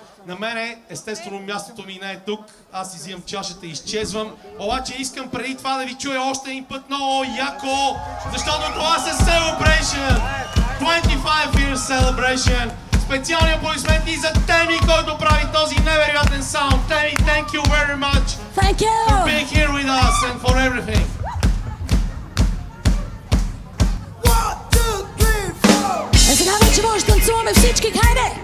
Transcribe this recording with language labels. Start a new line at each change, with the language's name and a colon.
Bulgarian: На мене, естествено, мястото ми не е тук. Аз изимам чашата и изчезвам. Обаче искам преди това да ви чуя още един път много яко, защото това се Celebration!
English: 25 years Celebration!
Bulgarian: Специални аплодисменти за Теми, който прави този невероятен саунд.
English: Теми, thank you very much thank you. For being here with us and for everything.
Bulgarian: Е, сега вече може да танцуваме всички, хайде!